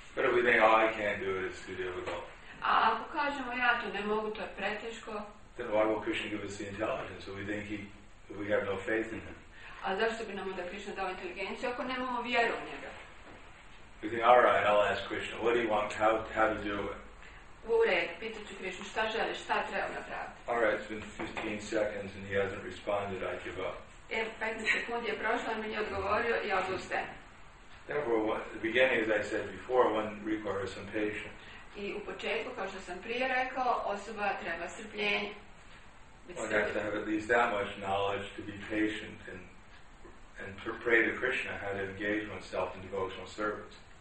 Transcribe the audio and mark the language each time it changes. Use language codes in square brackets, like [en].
[en] But if we think, oh, I can't do it, it's too difficult. [hr] A ako kažemo, ja to ne mogu, to je preteško. [en] Then why will Krishna give us the intelligence if we think we have no faith in him? [hr] A zašto bi nam onda Krishna dao inteligenciju ako nemamo vjeru u njega? [en] We think, all right, I'll ask Krishna, what do you want, how to do it? [hr] U red, pitat ću Krishna, šta želiš, šta treba napraviti? [en] All right, it's been 15 seconds and he hasn't responded, I give up. [hr] Jer 15 sekundi je prošlo, on mi je odgovorio i odustajem. [en] Therefore, at the beginning, as I said before, one requires some patience. [hr] I u početku, kao što sam prije rekao, osoba treba strpljenje. [en] One has to have at least that much knowledge to be patient and pray to Krishna how to engage oneself in devotional service.